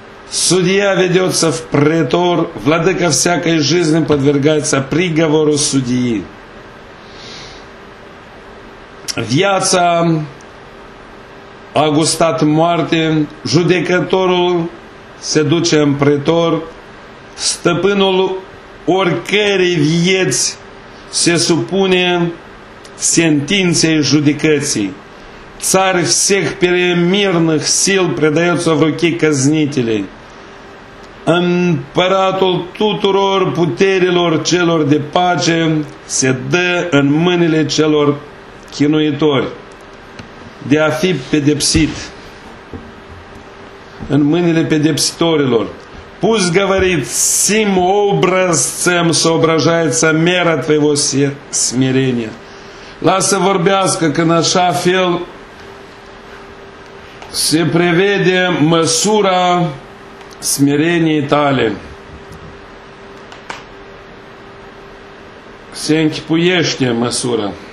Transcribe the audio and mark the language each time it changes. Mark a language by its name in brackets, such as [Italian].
[Russian] Судья ведется в претор, владыка всякой жизни подвергается приговору судьи. [Romanian] viața a gustat moarte, judecătorul se duce în pretor, stăpânul oricărei vieți se supune sentinței judecății. [Russian] Țari всех перемирных сил предаются в руки казнителей. [Romanian] Împăratul tuturor puterilor celor de pace se dă în mâinile celor chinuitori de a fi pedepsit, în mâinile pedepsitorilor. [Russian] Пусть говорит сим образцем соображается мера твоего смирения. [Romanian] Lasă vorbească că în așa fel se prevede măsura smereniei tale. Se închipuiește măsura.